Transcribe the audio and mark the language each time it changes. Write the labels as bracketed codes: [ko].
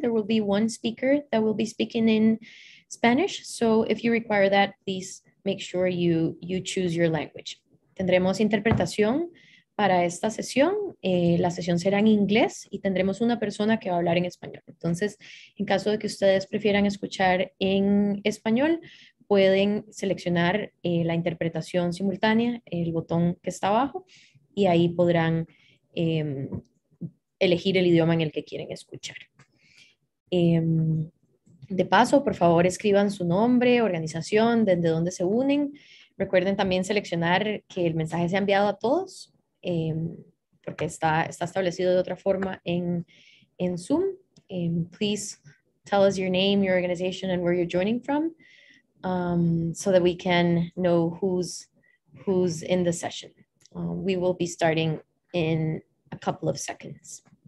[en] There will be one speaker that will be speaking in Spanish. So if you require that, please make sure you choose your language. [es] Tendremos interpretación para esta sesión. La sesión será en inglés y tendremos una persona que va a hablar en español. Entonces, en caso de que ustedes prefieran escuchar en español, pueden seleccionar la interpretación simultánea, el botón que está abajo, y ahí podrán elegir el idioma en el que quieren escuchar. De paso, por favor, escriban su nombre, organización, desde dónde se unen. Recuerden también seleccionar que el mensaje sea enviado a todos, porque está establecido de otra forma en Zoom. [en] Please tell us your name, your organization, and where you're joining from. So that we can know who's in the session. We will be starting in a couple of seconds.